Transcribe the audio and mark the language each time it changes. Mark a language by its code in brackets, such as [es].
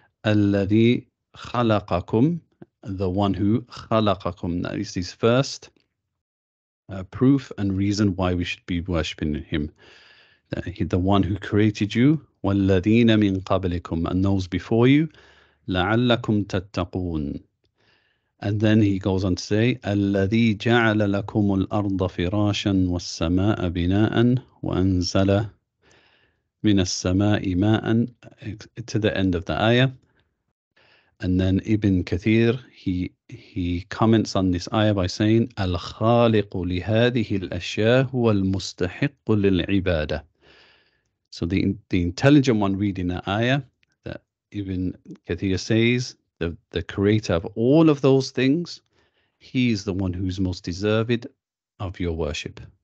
[ar] Alladhi khalaqakum, [en] the one who khalaqakum. That is his first proof and reason why we should be worshipping him. The one who created you, [ar] وَالَّذِينَ مِنْ قَبْلِكُمْ, [en] and those before you, [ar] لَعَلَّكُمْ تَتَّقُونَ. [en] And then he goes on to say, [ar] الَّذِي جَعَلَ لَكُمُ الْأَرْضَ فِرَاشًا وَالسَّمَاءَ بِنَاءً وَأَنْزَلَ من السماء ماء, to the end of the ayah. [en] And then Ibn Kathir, he comments on this ayah by saying, [ar] Al-Khaliq lihadihi al-ashyaa huwa al-mustahiq lil-ibadah. [en] So the intelligent one reading that ayah, that Ibn Kathir says, the creator of all of those things, he is the one who's most deserved of your worship.